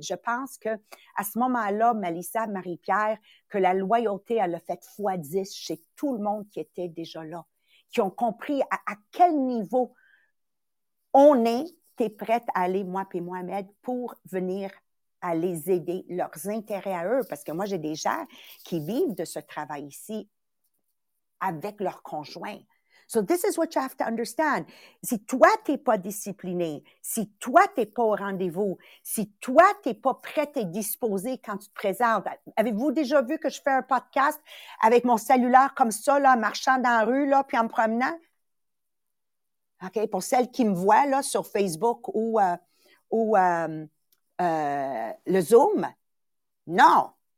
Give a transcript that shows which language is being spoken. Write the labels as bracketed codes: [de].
[fr] Je pense que à ce moment-là, Mélissa, Marie-Pierre, que la loyauté, elle a fait x10 chez tout le monde qui était déjà là, qui ont compris à quel niveau on est, t'es prête à aller, moi puis Mohamed, pour venir à les aider, leurs intérêts à eux. Parce que moi, j'ai des gens qui vivent de ce travail ici avec leur conjoint. [en] So this is what you have to understand. [fr] Si toi, tu n'es pas discipliné, si toi, tu n'es pas au rendez-vous, si toi, tu n'es pas prêt et disposé quand tu te présentes. Avez-vous déjà vu que je fais un podcast avec mon cellulaire comme ça, là, marchant dans la rue, là, puis en me promenant? OK, pour celles qui me voient là, sur Facebook ou le Zoom, non.